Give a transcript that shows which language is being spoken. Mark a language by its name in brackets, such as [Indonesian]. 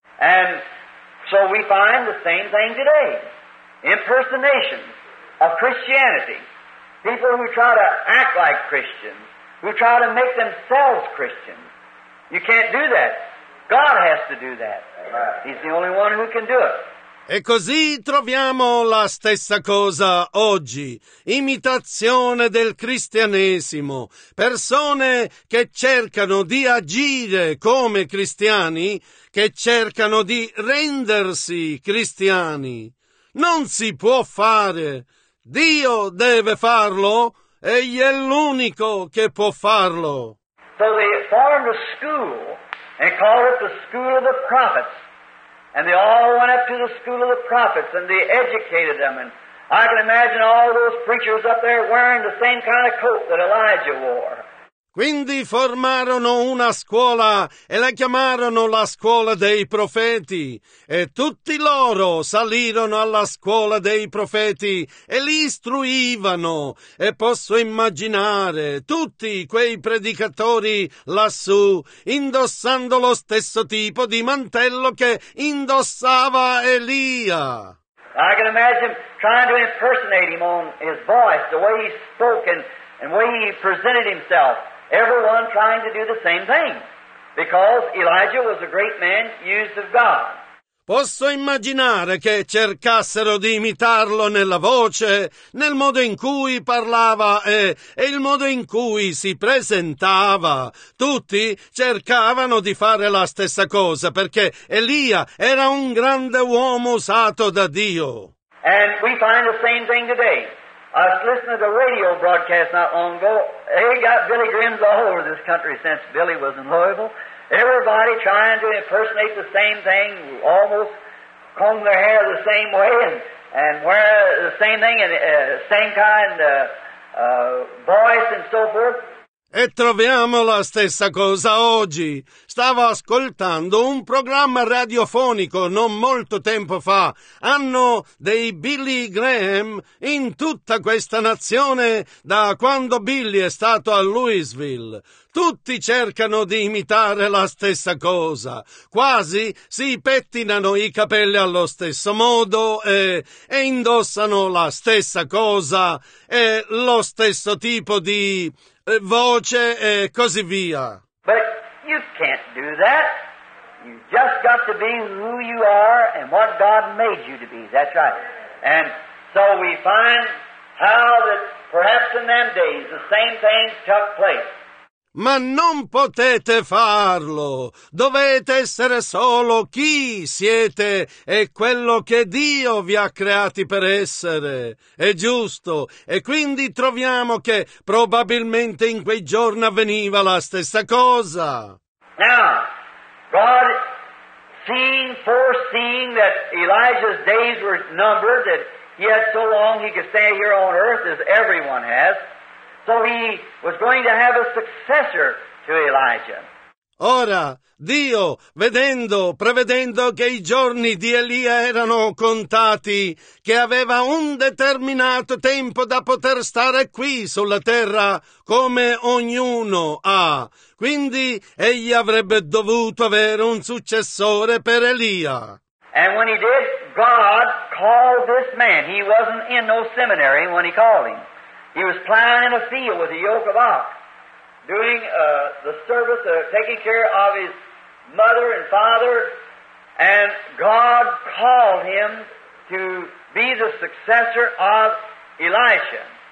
[English] And so we find the same thing today. Impersonation of Christianity. People who try to act like Christians, who try to make themselves Christians. You can't do that. God has to do that. He's the only one who can do it. [Italian] E così troviamo la stessa cosa oggi. Imitazione del cristianesimo. Persone che cercano di agire come cristiani, che cercano di rendersi cristiani. Non si può fare. Dio deve farlo. Egli è l'unico che può farlo. [English] So they formed a school and called it the school of the prophets. And they all went up to the school of the prophets and they educated them. And I can imagine all those preachers up there wearing the same kind of coat that Elijah wore. [Italian] Quindi formarono una scuola e la chiamarono la scuola dei profeti. E tutti loro salirono alla scuola dei profeti e li istruivano. E posso immaginare tutti quei predicatori lassù indossando lo stesso tipo di mantello che indossava Elia. [English] I can imagine trying to impersonate him on his voice, the way he spoke and the way he presented himself. Everyone trying to do the same thing, because Elijah was a great man used of God. [Italian] Posso immaginare che cercassero di imitarlo nella voce, nel modo in cui parlava e il modo in cui si presentava. Tutti cercavano di fare la stessa cosa, perché Elia era un grande uomo usato da Dio. [English] And we find the same thing today. I was listening to the radio broadcast not long ago. They got Billy Grimm's all over this country since Billy was in Louisville. Everybody trying to impersonate the same thing, almost comb their hair the same way and wear the same thing and same kind of voice and so forth. [Italian] E troviamo la stessa cosa oggi. Stavo ascoltando un programma radiofonico non molto tempo fa. Hanno dei Billy Graham in tutta questa nazione da quando Billy è stato a Louisville. Tutti cercano di imitare la stessa cosa. Quasi si pettinano i capelli allo stesso modo e indossano la stessa cosa e lo stesso tipo di voce e così via. [English] But you can't do that. You just got to be who you are and what God made you to be. That's right. And so we find how that perhaps in them days the same thing took place. [Italian] Ma non potete farlo. Dovete essere solo chi siete e quello che Dio vi ha creati per essere. È giusto. E quindi troviamo che probabilmente in quei giorni avveniva la stessa cosa. [English] Now, God seeing, foreseeing that Elijah's days were numbered, that he had so long he could stay here on earth as everyone has. So he was going to have a successor to Elijah. [Italian] Ora, Dio, prevedendo che i giorni di Elia erano contati, che aveva un determinato tempo da poter stare qui sulla terra, come ognuno ha. Quindi, egli avrebbe dovuto avere un successore per Elia. [English] And when he did, God called this man. He wasn't in no seminary when he called him. He was plowing in a field with a yoke of ox, doing the service of taking care of his mother and father, and God called him to be the successor of Elijah.